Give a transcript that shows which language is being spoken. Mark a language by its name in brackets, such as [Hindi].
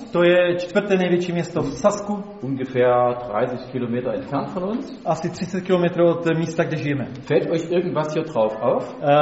[Czech] To je čtvrté největší město v Sasku. [German] Ungefähr 30 Kilometer entfernt von uns. [Czech] Asi 30 kilometrů od místa, kde žijeme. [German] Fällt euch irgendwas hier drauf auf?